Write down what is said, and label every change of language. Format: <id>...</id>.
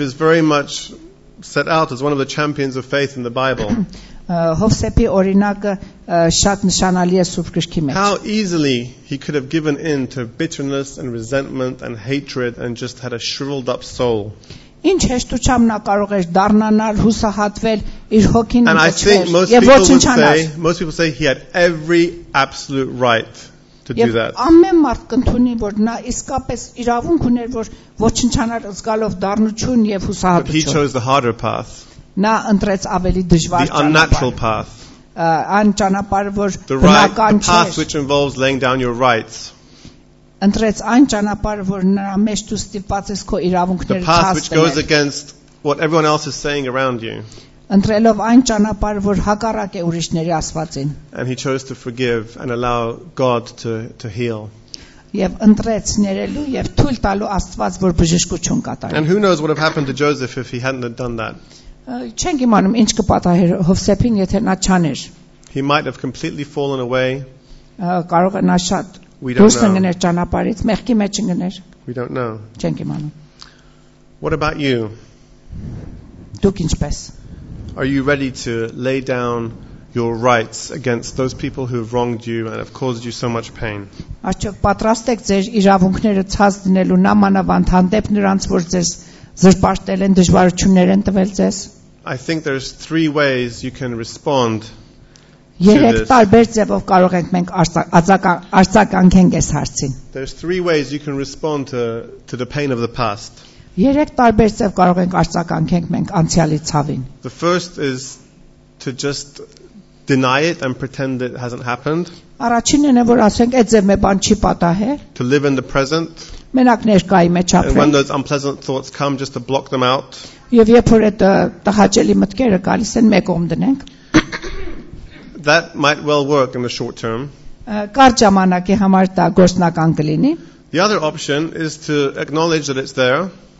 <en>is very much set out as one of the champions of faith in the Bible.</en> <hy>Հովսեփի օրինակը շատ նշանալի է Սուրբ Գրքի մեջ.</hy> <en>How easily he could have given in to bitterness and resentment and hatred and just had a shriveled up soul.</en> <hy>Ինչ հեշտությամբ նա կարող էր դառնալ հուսահատվել իր հոգին ու ոչինչ։</hy> <en>And I think most people say he had every absolute right to do that.</en> <hy>Եվ ամեն մարդ կընդունի, որ նա իսկապես իրավունք ուներ, որ ոչնչանալ զգալով դառնություն եւ հուսահատություն։</hy> <en>But he chose the harder path.</en> <hy>Նա ընտրեց ավելի դժվար ճանապարհ։ Այն ճանապարհը, որ բնական չէ։ Ընտրեց այն ճանապարհը, որ նրա մեջ դու ստիպված ես քո իրավունքները ցածել։ Ընտրելով այն ճանապարհը, որ հակառակ է ուրիշների ասվածին։</hy> <en>And he chose to forgive and allow God to heal.</en> <hy>Եվ ընտրեց ներելու եւ թույլ տալու Աստված, որ բժշկություն կատարի։</hy> <en>And who knows what would have happened to Joseph if he hadn't done that?</en> <hy>Չենք իմանում ինչ կպատահեր Հովսեփին, եթե նա չաներ։</hy> <en>He might have completely fallen away.</en> <hy>Կարող է նա շատ դուրս ընկներ ճանապարից, մեղքի մեջ ընկներ։</hy> <en>We don't know.</en> <hy>Չենք իմանում։</hy> <en>What about you?</en> <hy>Դուք ինչպես։</hy> <en>Are you ready to lay down your rights against those people who have wronged you and have caused you so much pain?</en> <hy>Աչք պատրաստ եք ձեր իրավունքները ցած դնելու նամանավանդ հանդեպ նրանց, որ ձեզ զրպարտել են, դժվարություններ են տվել ձեզ։</hy> <en>I think there's three ways you can respond.</en> <hy>Երեք տարբեր ձևով կարող ենք մենք արձագանքենք այս հարցին։</hy> <en>There's three ways you can respond to the pain of the past.</en> <hy>Երեք տարբեր ձև կարող ենք արձագանքենք մենք անցյալի ցավին։</hy> <en>The first is to just deny it and pretend it hasn't happened.</en> <hy>Առաջինն է, որ ասենք, այդ ձև մի բան չի պատահել։</hy> <en>To live in the present.</en> <hy>Մենակ ներկայի մեջ ապրենք։</hy> <en>And when those unpleasant thoughts come, just to block them out.</en> <hy>Եվ երբ որ այդ տհաճելի մտքերը գալիս են, մեկ օմ դնենք։</hy> <en>That might well work in the short term.</en> <hy>Կարճ ժամանակի համար դա գործնական կլինի։</hy> <en>The other option is to acknowledge that it's there.</en>